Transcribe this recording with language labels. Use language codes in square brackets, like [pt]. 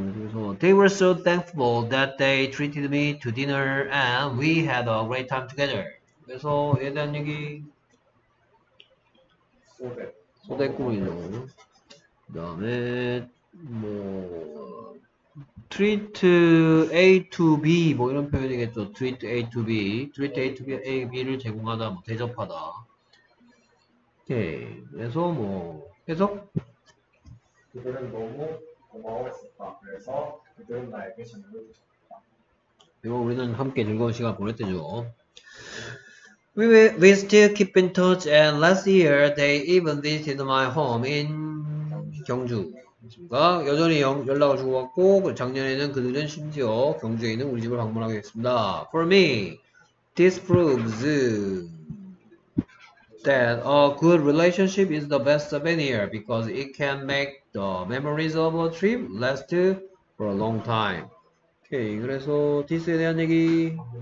[ko] 그래서 [en] they were so thankful that they treated me to dinner and we had a great time together. [ko] 그래서 얘에 대한 얘기 소대꾸미죠. 그다음에 뭐 treat A to B 뭐 이런 표현이겠죠. [en] treat A to B, treat A to B, [ko] A B를 제공하다, 뭐 대접하다. 오케이. 그래서 뭐 해석? 그들은 너무 고마워했었다. 그래서 그들은 나에게 전해줬다. 이거 우리는 함께 즐거운 시간 보냈대죠. [en] We still keep in touch, and last year they even visited my home in 경주. [ko] 그러니까 여전히 연락을 주고받고 작년에는 그들은 심지어 경주에 있는 우리 집을 방문하게 됐습니다. [en] For me, this proves that a good relationship is the best souvenir because it can make the memories of a trip last for a long time. [ko] 오케이, 그래서 디스에 대한 얘기.